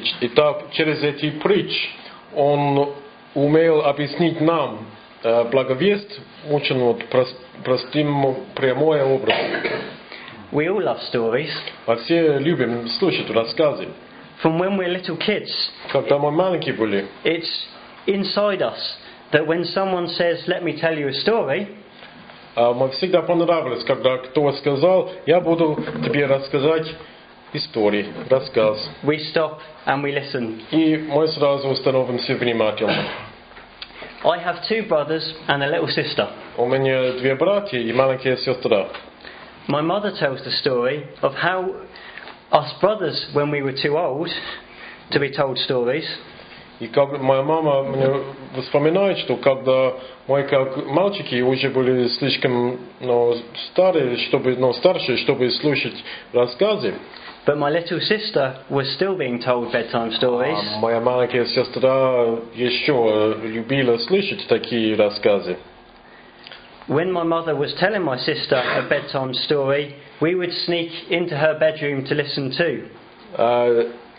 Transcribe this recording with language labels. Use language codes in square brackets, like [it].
[ru] Итак, через эти притч он умел объяснить нам благовесть очень вот простым, прямым образом. [en] We all love stories. [ru] Мы все любим слушать рассказы. [en] From when we're little kids. [ru] Когда мы маленькие были. [en] It's inside us that when someone says let me tell you a story, [ru] мне всегда понравилось, когда кто-то сказал, я буду тебе рассказать истории, рассказ. [en] We stop and we listen. [ru] И мы сразу становимся внимательны. [en] I have two brothers and a little sister. [ru] У меня две братья и маленькая сестра. [en] My mother tells the story of how us brothers, when we were too old to be told stories. [ru] И как моя мама мне вспоминает, что когда мы как мальчики уже были слишком, ну, старые, чтобы, ну, старше, чтобы слушать рассказы. [en] But my little sister was still being told bedtime stories. [ru] Моя маленькая сестра еще любила слышать такие рассказы. [en] When my mother was telling my sister a bedtime story, we would sneak into her bedroom to listen too.